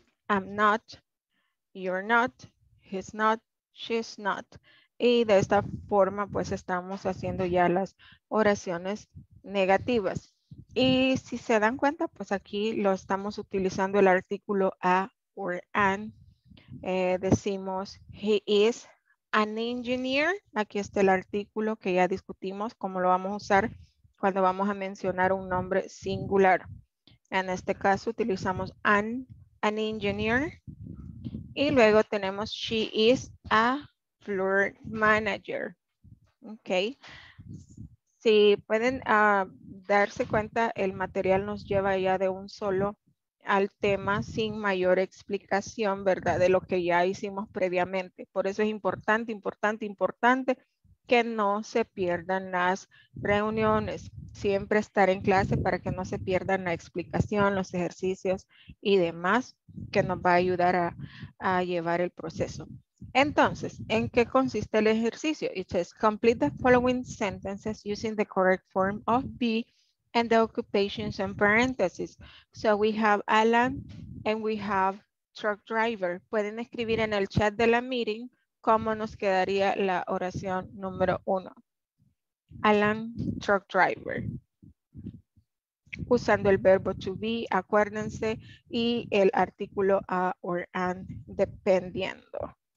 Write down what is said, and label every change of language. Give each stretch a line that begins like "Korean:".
English: I'm not, you're not, he's not, she's not.
Spanish: Y de esta forma pues estamos haciendo ya las oraciones negativas. Y si se dan cuenta, pues aquí lo estamos utilizando el artículo
English: a or an.
Spanish: Decimos
English: he is an engineer.
Spanish: Aquí está el artículo que ya discutimos cómo lo vamos a usar cuando vamos a mencionar un nombre singular. En este caso utilizamos
English: an engineer.
Spanish: Y luego tenemos
English: she is a floor manager. Ok.
Spanish: Si pueden darse cuenta, el material nos lleva ya de un solo al tema sin mayor explicación, ¿verdad? De lo que ya hicimos previamente. Por eso es importante, importante, importante que no se pierdan las reuniones. Siempre estar en clase para que no se pierdan la explicación, los ejercicios y demás, que nos va a ayudar a llevar el proceso. Entonces, ¿en qué consiste el ejercicio?
English: It says, complete the following sentences using the correct form of be and the occupations and parentheses. So we have Alan and we have truck driver.
Spanish: Pueden escribir en el chat de la meeting cómo nos quedaría la oración número uno.
English: Alan, truck driver.
Spanish: usando el verbo to be, acuérdense, y el artículo
English: a or an,
Spanish: dependiendo.